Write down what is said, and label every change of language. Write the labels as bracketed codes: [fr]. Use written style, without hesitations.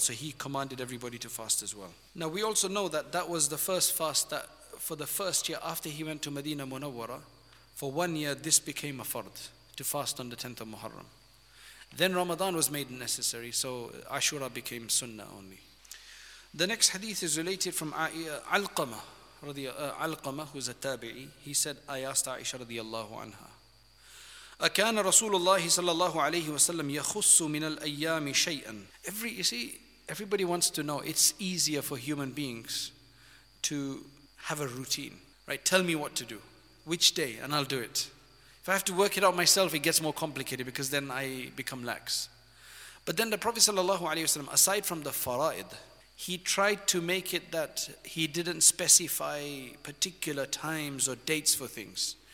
[en] So he commanded everybody to fast as well. Now, we also know that that was the first fast that for the first year after he went to Medina Munawwara, for 1 year, this became a fard, to fast on the 10th of Muharram. Then Ramadan was made necessary, so Ashura became Sunnah only. The next hadith is related from Alqama, who is a tabi'i. He said, I asked Aisha radiallahu anha, [ar] أَكَانَ رَسُولُ اللَّهِ صَلَّى اللَّهُ عَلَيْهِ وَسَلَّمْ يَخُصُّ مِنَ الْأَيَّامِ شَيْئًا. [en] You see, everybody wants to know, it's easier for human beings to have a routine, right? Tell me what to do, which day, and I'll do it. If I have to work it out myself, it gets more complicated, because then I become lax. But then the Prophet sallallahu alaihi wasallam, aside from the fara'id, he tried to make it that he didn't specify particular times or dates for things.